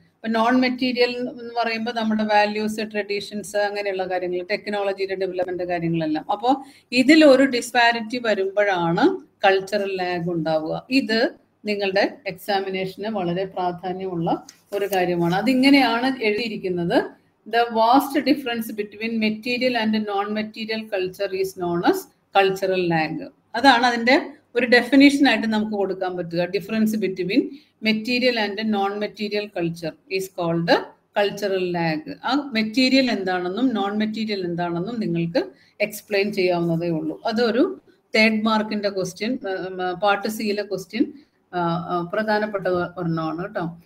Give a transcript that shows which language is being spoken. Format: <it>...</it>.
<ml>ഇപ്പൊ non material എന്ന് പറയുമ്പോൾ നമ്മുടെ വാല്യൂസ്, ട്രഡീഷൻസ്, അങ്ങനെയുള്ള കാര്യങ്ങൾ, ടെക്നോളജിയുടെ ഡെവലപ്മെന്റ് കാര്യങ്ങളെല്ലാം. അപ്പോൾ ഇതിൽ ഒരു ഡിസ്പാരിറ്റി വരുമ്പോഴാണ് കൾച്ചറൽ ലാഗ് ഉണ്ടാവുക. ഇത് നിങ്ങളുടെ എക്സാമിനേഷന് വളരെ പ്രാധാന്യമുള്ള ഒരു കാര്യമാണ്. അതിങ്ങനെയാണ് എഴുതിയിരിക്കുന്നത്:</ml> <en>The vast difference between material and non-material culture is known as cultural lag.</en> <ml>അതാണ് അതിന്റെ ഒരു ഡെഫിനേഷൻ ആയിട്ട് നമുക്ക് കൊടുക്കാൻ പറ്റുക.</ml> <en>Difference between material and non material culture is called cultural lag.</en> <ml>ആ മെറ്റീരിയൽ എന്താണെന്നും നോൺ മെറ്റീരിയൽ എന്താണെന്നും നിങ്ങൾക്ക് എക്സ്പ്ലെയിൻ ചെയ്യാവുന്നതേ ഉള്ളൂ. അതൊരു തേർഡ് മാർക്കിന്റെ ക്വസ്റ്റ്യൻ, പാർട്ട് സിയിലെ ക്വസ്റ്റ്യൻ പ്രധാനപ്പെട്ട ഒരെണ്ണമാണ് കേട്ടോ.</ml>